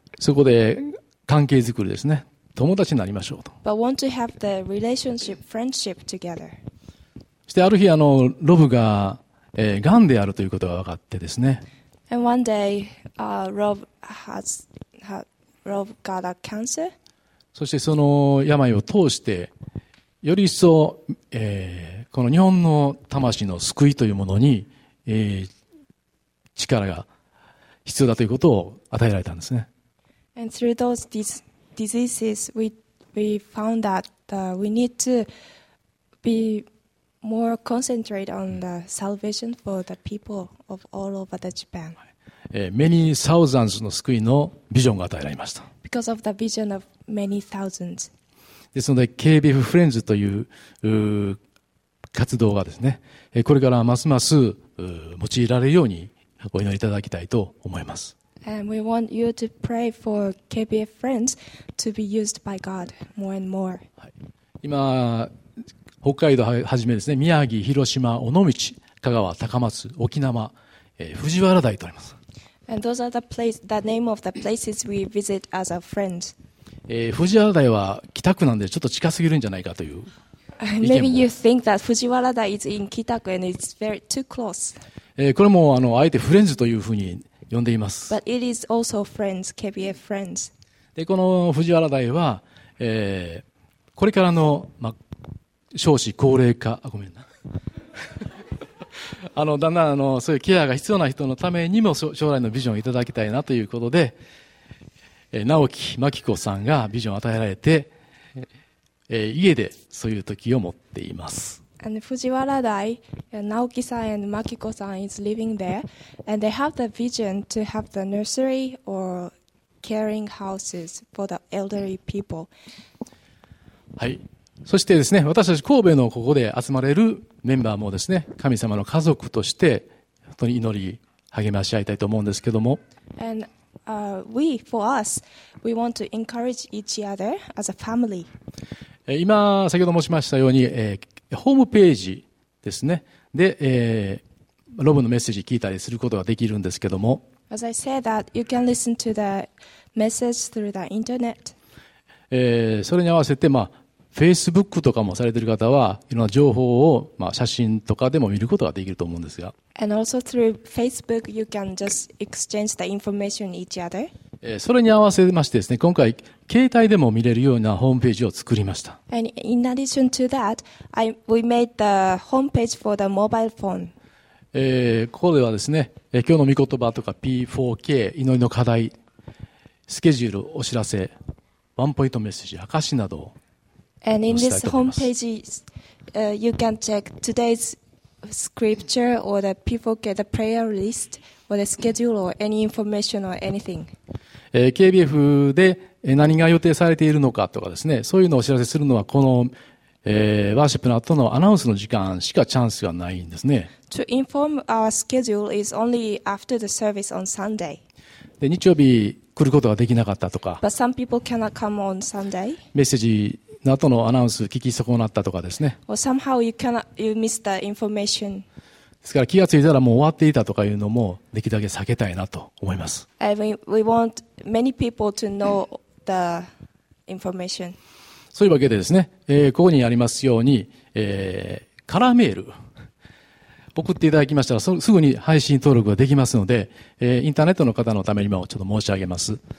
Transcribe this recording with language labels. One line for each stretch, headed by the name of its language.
Japanese: そこで関係作りですね。友達になりましょうと。
English: But want to have the relationship friendship together.
Japanese: そしてある日あのロブが、ガンであるということが分かってですね。
English: And one day, Rob has Rob got a cancer.
Japanese: そしてその病を通してより一層、この日本の魂の救いというものに、力が必要だということを与えられたんですね。
English: And through those diseases, we found that we need to bemore concentrate on the salvation for the people of all over the Japan. Many thousands
Japanese: の救いのビジョンが与えられました。
English: Because of the vision of many thousands.
Japanese: ですので KBF Friends という活動がですね、これからますます用いられるようにお祈りいただきたいと思います。
English: And we want you to pray for KBF Friends to be used by God more and more.
Japanese: 今北海道はじめですね、宮城、広島、尾道、香川、高松、沖縄、藤原台とあります。
English: And those are the place, the name of the places we visit as a friend.
Japanese: 藤原台は北区なんでちょっと近すぎるんじゃないかという意見も。
English: Maybe you think that 藤原台 is in 北区 and it's very too close.
Japanese: これもあえてフレンズというふうに呼んでいます。
English: But it is also friends, KBF friends.
Japanese: で、この藤原台は、これからの、ま少子高齢化、あ、ごめんな。だんだんそういうケアが必要な人のためにも将来のビジョンをいただきたいなということで、直木真紀子さんがビジョンを与えられて、家でそういう時を持っています。
English: And Fujiwara Dai, Naoki san and Makiko san is living there, and they have the vision to have the nursery or caring houses for the elderly people.
Japanese: はい。そしてですね、私たち神戸のここで集まれるメンバーもですね、神様の家族として本当に祈り励まし合いたいと思うんですけども。
English: And, we, for us, we want to encourage each other as a family.
Japanese: 今先ほど申しましたように、ホームページですねで、ロブのメッセージ聞いたりすることができるんですけども。
English: As I said that, you can listen to the message through the internet.
Japanese: それに合わせてまあ。 Facebook とかもされている方はいろんな情報を、まあ、写真とかでも見ることができると思うんですが。
English: And also through Facebook, you can just exchange the information each other.
Japanese: それに合わせましてですね、今回携帯でも見れるようなホームページを作りました。
English: And in addition to that, we made the homepage for the mobile phone.
Japanese: ここではですね、今日の御言葉とか P4K 祈りの課題、スケジュールお知らせ、ワンポイントメッセージ証しなどを。
English: And in this homepage, you can check today's scripture or the people get the prayer list or the schedule or any information or anything.
Japanese: KBF で何が予定されているのかとかですね、そういうのをお知らせするのはこの、ワーシップの後のアナウンスの時間しかチャンスがないんですね。
English: To inform our schedule is only after the service on Sunday.
Japanese: で、日曜日来ることができなかったとか。
English: But some people cannot come on Sunday.
Japanese: メッセージの後のアナウンス聞き損なったとかですね。
English: Or somehow you miss the information.
Japanese: ですから気がついたらもう終わっていたとかいうのもできるだけ避けたいなと思います。
English: We want many people to know the information.
Japanese: そういうわけでですね、ここにありますように、カラーメール送っていただきましたらすぐに配信登録ができますので、インターネットの方のためにもちょっと申し上げます。